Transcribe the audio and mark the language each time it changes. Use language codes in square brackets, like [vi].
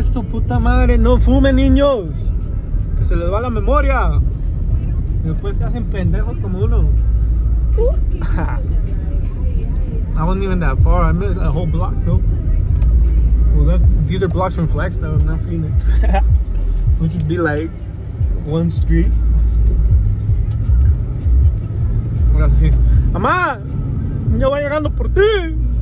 [es] Puta madre, no fume, niños. Que se les va la memoria. Después se hacen pendejos como uno. [en] I wasn't even that far. I missed a whole block though. Well, these are blocks from Flagstaff, not Phoenix. Which would be like one street. [es] Mamá, yo voy llegando por ti.